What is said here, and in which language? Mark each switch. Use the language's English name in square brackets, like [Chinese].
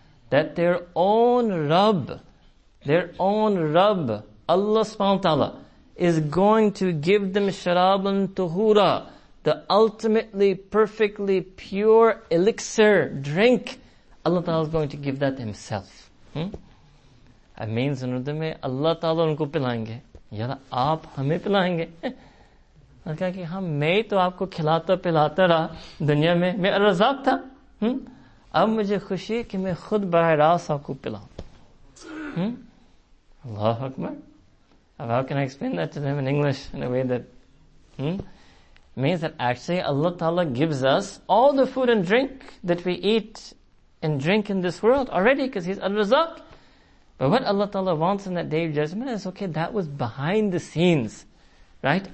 [English] That their own Rabb, Allah subhanahu wa ta'ala, is going to give them sharaban tuhura, the ultimately perfectly pure elixir drink. Allah Ta'ala is going to give that himself. That means Allah Ta'ala [Hindi] unko pilayenge. यार आप हमें पिलाएंगे. मैंने कहा कि हाँ मैं ही तो आपको खिलाता पिलाता रहा दुनिया में, मैं अर्रज़ाक था. अब मुझे खुशी है कि मैं खुद बराह रास्त आपको पिलाऊं. [Arabic] अल्लाह अकबर. [English] अब how can I explain that to them in English in a way that means that actually Allah Ta'ala gives us all the food and drink that we eat and drink in this world already, because He's al-Razak. But what Allah Ta'ala wants in that Day of Judgment is, okay, that was behind the scenes, right?